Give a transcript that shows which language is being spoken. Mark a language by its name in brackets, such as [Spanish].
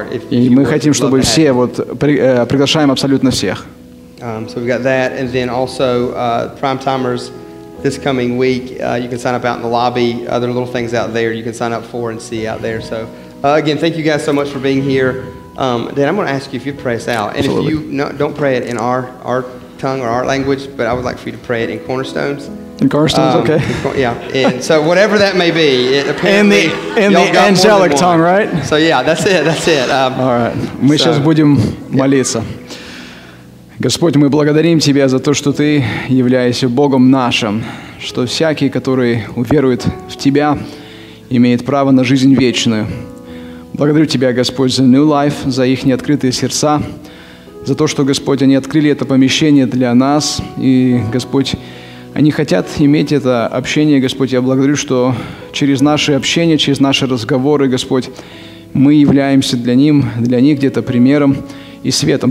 [Russian] И мы хотим, чтобы все, вот, приглашаем абсолютно всех. [English] So we've got that, and then also prime timers this coming week, you can sign up out in the lobby. There are little things out there you can sign up for and see out there. So again, thank you guys so much for being here. Dan, I'm going to ask you if you'd pray us out. And absolutely. If you don't pray it in our tongue or our language, but I would like for you to pray it in Cornerstones. And Cornerstone's okay. Yeah. And so whatever that may be, it apparently in the angelic tongue, right? So yeah, that's it. All right. [Russian] Мы сейчас будем молиться. Господь, мы благодарим Тебя за то, что Ты являешься Богом нашим, что всякий, который уверует в Тебя, имеет право на жизнь вечную. Благодарю Тебя, Господь, за New Life, за их неоткрытые сердца, за то, что, Господь, они открыли это помещение для нас, и, Господь, они хотят иметь это общение, Господь, я благодарю, что через наше общение, через наши разговоры, Господь, мы являемся для них где-то примером и светом.